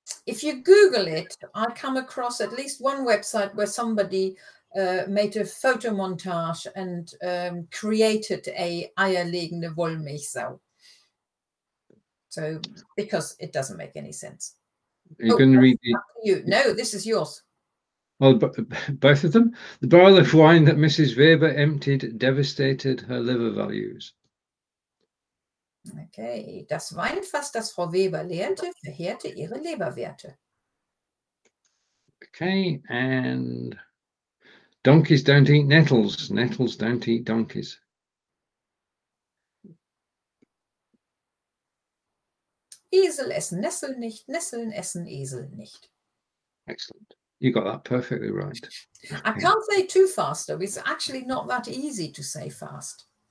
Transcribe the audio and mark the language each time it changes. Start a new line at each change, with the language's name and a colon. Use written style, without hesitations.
English: If you Google it, I come across at least one website where somebody made a photo montage and created a
German: eierlegende Wollmilchsau.
English: So, because it doesn't make any sense. You're going to read it. No, this is yours. Well, both of them. The barrel of wine that Mrs. Weber emptied devastated her liver values.
German: Okay, das Weinfass, das Frau Weber lernte, verheerte ihre Leberwerte.
English: Okay, and donkeys don't eat nettles. Nettles don't eat donkeys.
German: Esel essen Nesseln nicht, Nesseln essen Esel nicht.
English: Excellent. You got that perfectly right. Okay. I can't say too fast, though. It's actually not that easy to say fast.